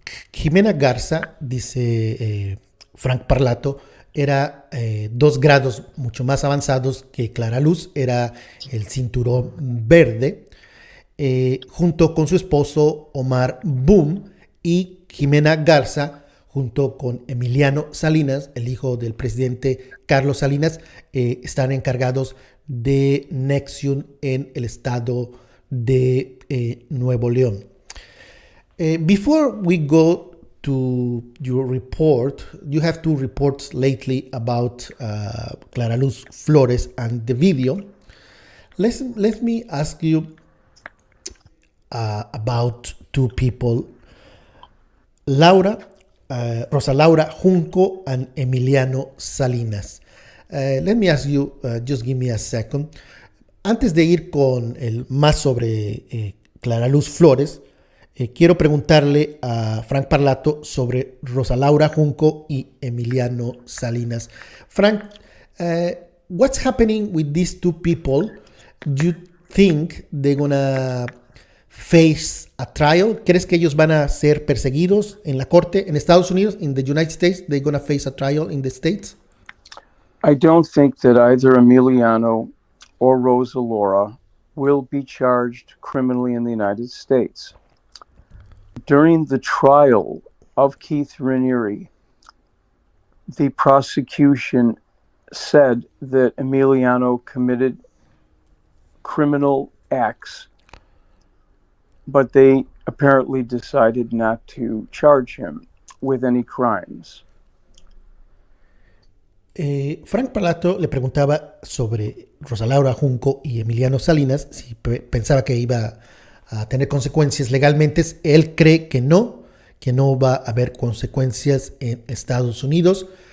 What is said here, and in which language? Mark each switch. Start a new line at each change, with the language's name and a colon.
Spanish: Ximena Garza, dice Frank Parlato, era 2 grados mucho más avanzados que Clara Luz, era el cinturón verde, junto con su esposo Omar Boom, y Ximena Garza, junto con Emiliano Salinas, el hijo del presidente Carlos Salinas, están encargados de Nexium en el estado de Nuevo León.
English: Before we go to your report, you have 2 reports lately about Clara Luz Flores and the video. Let me ask you about 2 people, Rosa Laura Junco and Emiliano Salinas. Let me ask you, just give me a second.
Spanish: Antes de ir con el más sobre Clara Luz Flores, quiero preguntarle a Frank Parlato sobre Rosa Laura Junco y Emiliano Salinas.
English: Frank, what's happening with these 2 people? Do you think they're gonna face a trial?
Spanish: ¿Crees que ellos van a ser perseguidos en la corte en Estados Unidos?
English: In the United States, they're gonna face a trial in the States? I don't think that either Emiliano or Rosa Laura will be charged criminally in the United States. During the trial of Keith Raniere, the prosecution said that Emiliano committed criminal acts, but they apparently decided not to charge him with any crimes.
Spanish: Frank Parlato le preguntaba sobre Rosa Laura Junco y Emiliano Salinas, si pensaba que iba a tener consecuencias legalmente. Él cree que no va a haber consecuencias en Estados Unidos.